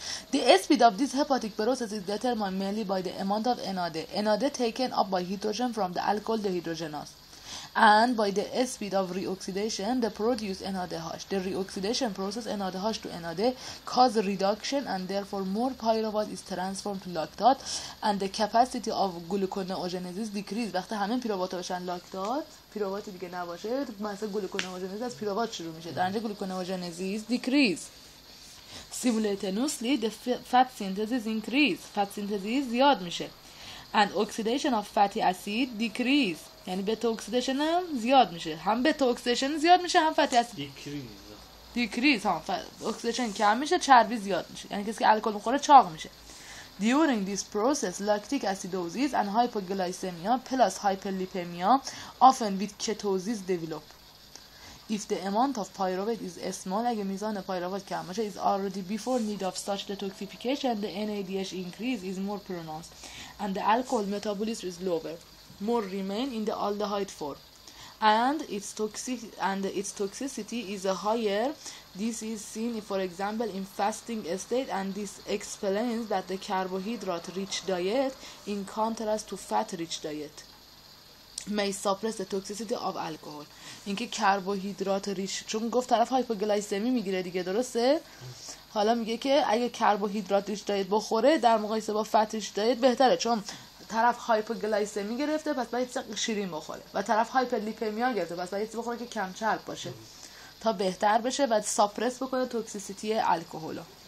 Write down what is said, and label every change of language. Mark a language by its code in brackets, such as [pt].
[en] The speed of this hepatic process is determined mainly by the amount of NADH taken up by hydrogen from the alcohol dehydrogenase and by the speed of reoxidation the produced NADH. The reoxidation process NADH to NADH cause reduction and therefore more pyruvate is transformed to lactate and the capacity of gluconeogenesis decreases. [fa] وقتی همه پیروات بشن لاکتات پیروات دیگه نباشه مثلا گلوکونوژنز از پیروات شروع میشه در اینجا گلوکونوژنزیز دیکریز. [en] simultaneously the fat synthesis increase [fa] فت سینتزیز زیاد میشه [en] and oxidation of fatty acid [fa] دیکریز یعنی بتا اکسیدشن هم زیاد میشه هم بتا اکسیدشن زیاد میشه هم فتی اسید [en] decrease [fa] هم اکسیدشن کم میشه چربی زیاد میشه یعنی کسی که الکل میخوره چاق میشه. [en] During this process, lactic acidosis and hypoglycemia plus hyperlipemia often with ketosis develop. If the amount of pyruvate is small, [fa] اگه میزان پایروات کم باشه, [en] is already before need of such detoxification, the NADH increase is more pronounced and the alcohol metabolism is lower. More remain in the aldehyde form. And its toxicity is a higher. This is seen, for example, in fasting state, and this explains that the carbohydrate-rich diet, in contrast to fat-rich diet, may suppress the toxicity of alcohol. [fa] اینکه کربوهیدرات ریشه، چون گفت طرف هایپوگلایسمی میگیره دیگه، درسته؟ حالا میگه که اگه کربوهیدرات ریش دایت بخوره در مقایسه با فت ریش دایت بهتره، چون طرف هایپوگلایسمی گرفته پس باید چیزی شیرین بخوره، و طرف هایپرلیپیمیا گرفته پس باید چیزی بخوره که کم چرب باشه تا بهتر بشه و ساپرس بکنه توکسیسیتی الکل.